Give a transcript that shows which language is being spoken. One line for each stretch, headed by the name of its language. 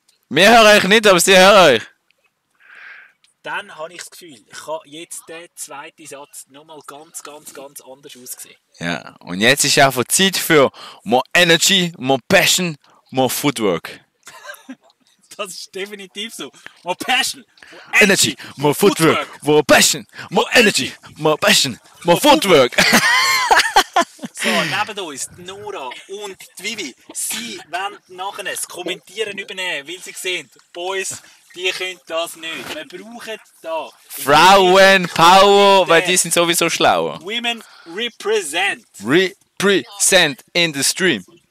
German: Wir hören euch nicht, aber sie hören euch. Dann habe ich das Gefühl, ich kann jetzt der zweite Satz nochmal ganz, ganz, ganz anders aussehen. Ja, und jetzt ist auch Zeit für
English: more energy, more passion, more footwork.
German: Das ist definitiv so.
English: More passion, more energy, more footwork. More passion, more energy, more passion, more footwork.
German: So, neben uns Nora und Vivi. Sie wollen nachher das Kommentieren übernehmen, weil sie sehen, Boys, die können das nicht. Wir brauchen da Frauen, Power, weil die sind sowieso schlauer.
English: Women represent. Represent in the stream.